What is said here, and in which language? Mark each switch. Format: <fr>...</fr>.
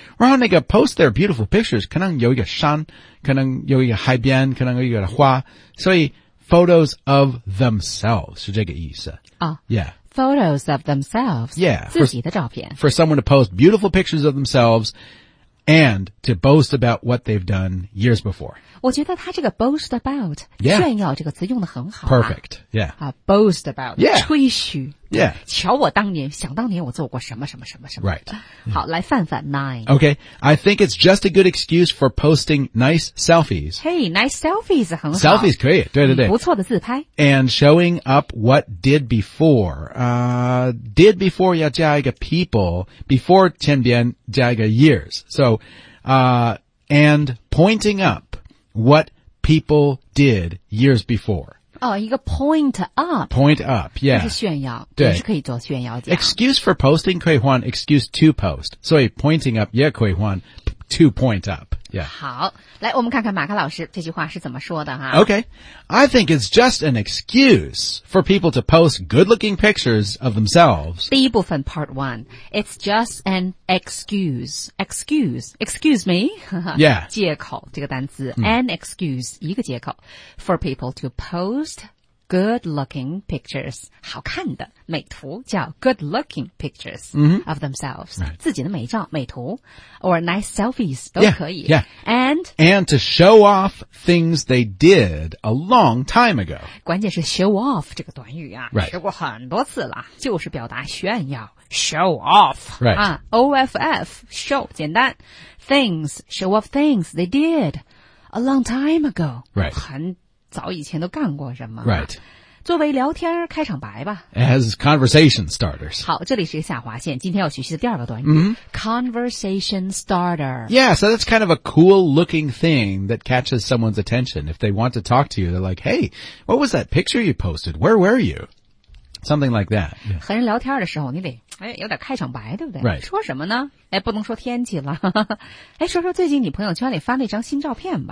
<zh>然后那个</zh> <en>post their beautiful pictures,</en> <zh>可能有一个山可能有一个海边可能有一个花所以</zh> <en>photos of themselves,</en> <zh>是这个意思。啊、</zh> <en>yeah. Photos of themselves. Yeah.</en> <zh>自己的照片</zh> <en>for someone to post beautiful pictures of themselves and to boast about what they've done years before.</en> <zh>我觉得他这个 boast about,、</zh> <en>yeah.</en> <zh>炫耀这个词用得很好、啊。</zh> <en>Perfect. Yeah.、 Boast about. Yeah.</en> <zh>吹嘘。</zh> <en>Yeah.</en> <zh>瞧我当年想当年我做过什么什么什么什么。</zh> <en>Right.</en> <zh>好、</zh> <en>yeah.</en> <zh>来范范 9.</zh> <en>Okay. I think it's just a good excuse for posting nice selfies. Hey, nice selfies</en> <zh>很好。 Selfies 可以对对对。不错的自拍。</zh> <en>And showing up what did before. Did before</en> <zh>要加一个 people, before 前边加一个 years.</zh> <en>So, and pointing up what people did years before. 哦、一个 point up. Point up, yeah.</en> <zh>是炫耀。对。是可以做炫耀的。</zh> <en>Excuse for posting</en> <zh>可以换</zh> <en>excuse to post.</en> <zh>所以</zh> <en>pointing up</en> <zh>也可以换</zh> <en>to point up, yeah.</en> <zh>好。来我们看看马克老师这句话是怎么说的哈。</zh> <en>Okay. I think it's just an excuse for people to post good looking pictures of themselves.</en> <zh>第一部分</zh> <en>part one. It's just an excuse. Excuse me. Yeah.</en> <zh>借口这个单词、mm.</zh> <en>An excuse,</en> <zh>一个借口</zh> <en>for people to post good looking pictures.</en> <zh>好看的美图叫 good looking pictures、</zh> <en>mm-hmm. of themselves.、 Right.</en> <zh>自己的美照美图</zh> <en>or nice selfies</en> <zh>都可以。</zh> <en>Yeah. Yeah. And to show off things they did a long time ago.</en> <zh>关键是 show off 这个短语啊、</zh> <en>right.</en> <zh>学过很多次了就是表达炫耀。</zh> <en>Show off,、 right. OFF, show, 简单。 Things, show off things they did a long time ago. Right.</en> <zh>很早以前都干过什么</zh> <en>？Right，</en> <zh>作为聊天开场白吧。</zh> <en>As conversation starters。</en> <zh>好，这里是一个下划线。今天要学习的第二个短语、</zh> <en>mm-hmm. ，conversation starter。 Yeah， so that's kind of a cool looking thing that catches someone's attention. If they want to talk to you, they're like, "Hey, what was that picture you posted? Where were you?" Something like that.、Yeah.</en> <zh>和人聊天的时候，你得有点开场白，对不对</zh> <en>？Right，</en> <zh>说什么呢？不能说天气了。说说最近你朋友圈里发那张新照片吧。</zh>